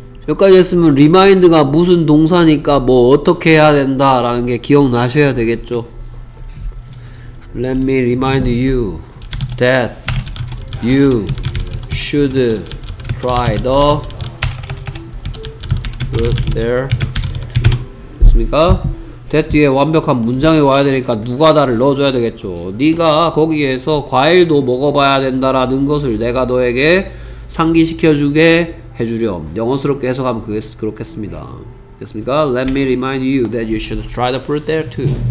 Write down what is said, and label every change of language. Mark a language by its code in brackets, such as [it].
[ko] 여기까지 했으면 리마인드가 무슨 동사니까 뭐 어떻게 해야 된다라는 게 기억나셔야 되겠죠. [en] Let me remind you that you should try the fruit there. [ko] 됐습니까? That 뒤에 완벽한 문장이 와야 되니까 누가다를 넣어줘야 되겠죠. 네가 거기에서 과일도 먹어봐야 된다라는 것을 내가 너에게 상기시켜주게 해주렴. 영어스럽게 해석하면 그게 그렇겠습니다. 됐습니까? [en] Let me remind you that you should try the fruit there too.